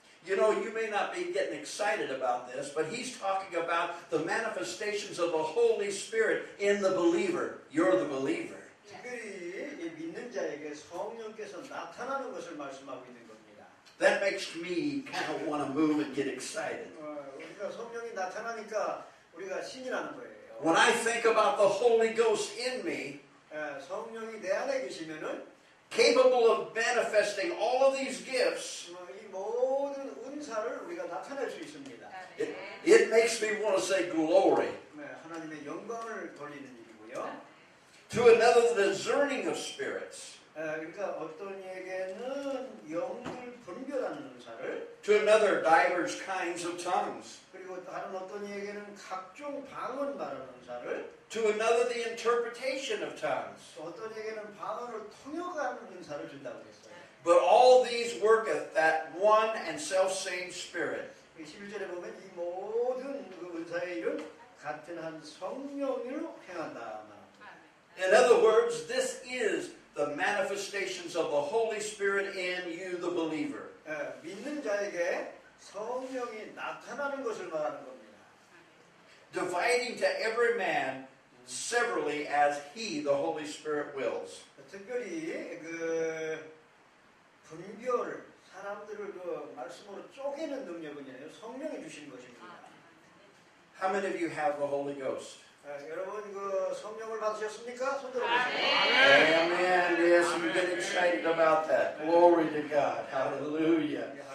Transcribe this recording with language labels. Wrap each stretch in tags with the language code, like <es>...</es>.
<en>You know, you may not be getting excited about this, but he's talking about the manifestations of the Holy Spirit in the believer. You're the believer.</en> <ko>특별히 믿는 자에게 성령께서 나타나는 것을 말씀하고 있는 겁니다.</ko> <en>That makes me kind of want to move and get excited.</en> <ko>우리가 성령이 나타나니까 우리가 신이 나는 거예요.</ko> <en>When I think about the Holy Ghost in me,</en> <ko>성령이 내 안에 계시면은</ko> <en>capable of manifesting all of these gifts,</en> <ko>모든 은사를 우리가 나타낼 수 있습니다.</ko> <en>It makes me want to say glory.</en> <ko>하나님의 영광을 돌리는 일이고요.</ko> <en>To another, the discerning of spirits.</en> <ko>그러니까 어떤 이에게는 영을 분별하는 은사를.</ko> <en>To another, divers kinds of tongues.</en> <ko>그리고 다른 어떤 이에게는 각종 방언 말하는 은사를.</ko> <en>To another, the interpretation of tongues.</en> <ko>어떤 이에게는 방언을 통역하는 은사를 준다고 했어요.</ko> <en>But all these worketh that one and self-same Spirit.</en> <ko>11절에 보면 이 모든 그 은사의 일은 같은 한 성령으로 행한다.</ko> <en>In other words, this is the manifestations of the Holy Spirit in you, the believer.</en> <ko>믿는 자에게 성령이 나타나는 것을 말하는 겁니다.</ko> <en>Dividing to every man severally as he, the Holy Spirit, wills.</en> <ko>특별히 그 분별 사람들을 그 말씀으로 쪼개는 능력은요 성령이 주시는 것입니다.</ko> <en>How many of you have the Holy Ghost?</en> <ko>여러분 그 성령을 받으셨습니까? 손 들어보세요. Amen. Amen. Amen.</ko> <en>Yes, we've been excited about that. Glory to God. Hallelujah.</en>